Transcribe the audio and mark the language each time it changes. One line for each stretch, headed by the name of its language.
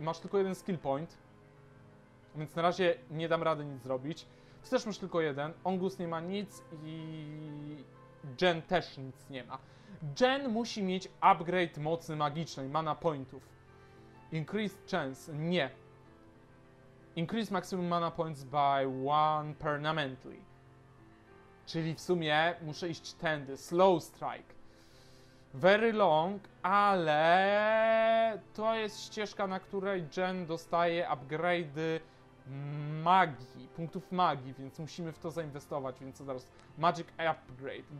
Polish: Masz tylko jeden skill point. Więc na razie nie dam rady nic zrobić. Ty też masz tylko jeden. Ongus nie ma nic i. Jen też nic nie ma. Jen musi mieć upgrade mocy magicznej, mana pointów.
English: Increased chance.
Polish: Nie.
English: Increase maximum mana points by one permanently.
Polish: Czyli w sumie muszę iść tędy.
English: Slow strike. Very long,
Polish: ale to jest ścieżka, na której Jen dostaje upgrade'y magii, punktów magii, więc musimy w to zainwestować, więc zaraz magic upgrade.